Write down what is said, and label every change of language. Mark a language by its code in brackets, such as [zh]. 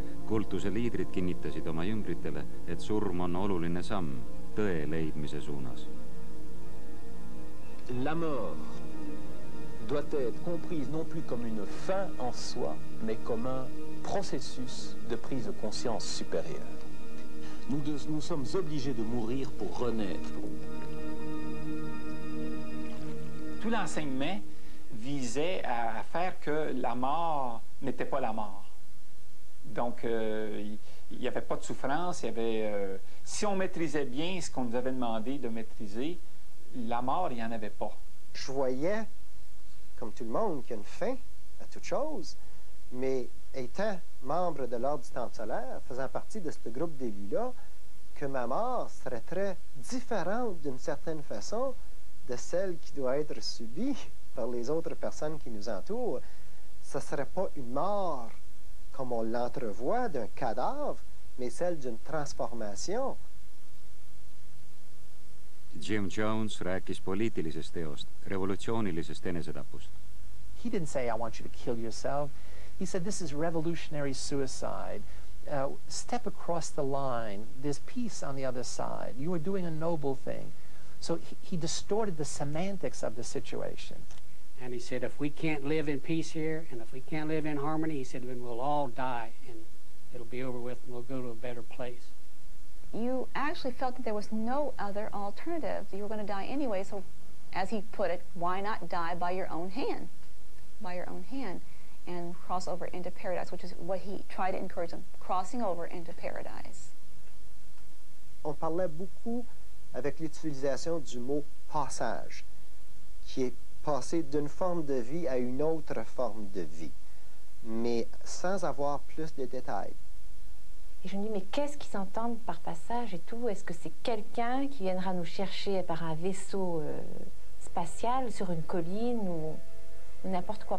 [et] Kultuse liidrid kinnitasid oma jüngritele, et surm on oluline samm tõe leidmise suunas. [fr] La mort doit être comprise non plus comme une fin en soi, mais comme un processus de prise de conscience supérieure. Nous sommes obligés de mourir pour renaître. Tout l'enseignement visait à faire que la mort n'était pas la mort. Donc, il n'y avait pas de souffrance. Il y avait, si on maîtrisait bien ce qu'on nous avait demandé de maîtriser, la mort, il n'y en avait pas. Je voyais, comme tout le monde, qu'il y a une fin à toute chose, mais étant membre de l'Ordre du Temple solaire, faisant partie de ce groupe d'élus-là, que ma mort serait très différente d'une certaine façon de celle qui doit être subie par les autres personnes qui nous entourent. Ce ne serait pas une mort comme on l'entrevoit d'un cadavre, mais celle d'une transformation. [et] Jim Jones rääkis poliitilisest teost, revolutsioonilisest enesetapust. [en] He didn't say, "I want you to kill yourself." He said, "This is revolutionary suicide. Step across the line. There's peace on the other side. You are doing a noble thing." So he distorted the semantics of the situation. And he said, "If we can't live in peace here, and if we can't live in harmony," he said, "then we'll all die, and it'll be over with, and we'll go to a better place." You actually felt that there was no other alternative. You were going to die anyway, so, as he put it, why not die by your own hand? By your own hand. And cross over into paradise, which is what he tried to encourage them, crossing over into paradise. [fr] On parlait beaucoup avec l'utilisation du mot passage, qui est passé d'une forme de vie à une autre forme de vie, mais sans avoir plus de détails. Et je me dis, mais qu'est-ce qu'ils entendent par passage et tout? Est-ce que c'est quelqu'un qui viendra nous chercher par un vaisseau spatial sur une colline ou n'importe quoi?